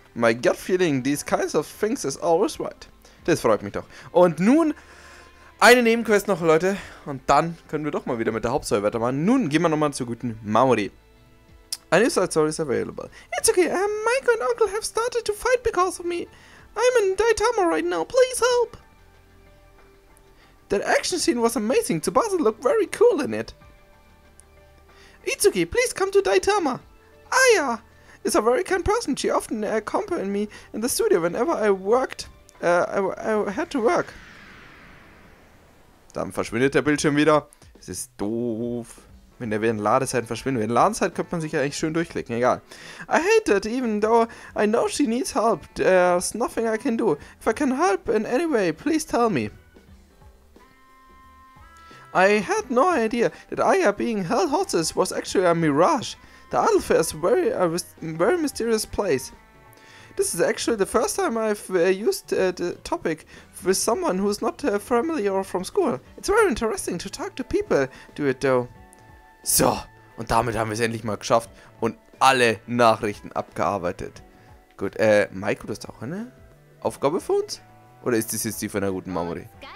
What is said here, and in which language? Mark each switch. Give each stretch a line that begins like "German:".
English: My gut feeling, these kinds of things is always right.
German: Das freut mich doch. Und nun, eine Nebenquest noch, Leute. Und dann können wir doch mal wieder mit der Hauptstory weitermachen. Nun gehen wir nochmal zur guten Maori.
English: A new side story is available. It's okay, Michael and Uncle have started to fight because of me. I'm in Daitama right now, please help. That action scene was amazing. Tsubasa looked very cool in it. Itsuki, please come to Daitama. Aya is a very kind person. She often accompanied me in the studio whenever I worked. I had to work.
German: Dann verschwindet der Bildschirm wieder. Es ist doof. Wenn der während Ladezeiten verschwindet. Während Ladezeit könnte man sich ja eigentlich schön durchklicken. Egal.
English: I hate it, even though I know she needs help. There's nothing I can do. If I can help in any way, please tell me. I had no idea that Aya being held hostage was actually a mirage. The Adelphi is a very mysterious place. This is actually the first time I've used the topic with someone who's not family or from school. It's very interesting to talk to people do it though.
German: So, und damit haben wir es endlich mal geschafft und alle Nachrichten abgearbeitet. Gut, Maiko, du hast auch eine Aufgabe für uns? Oder ist das jetzt die von der guten Mamori?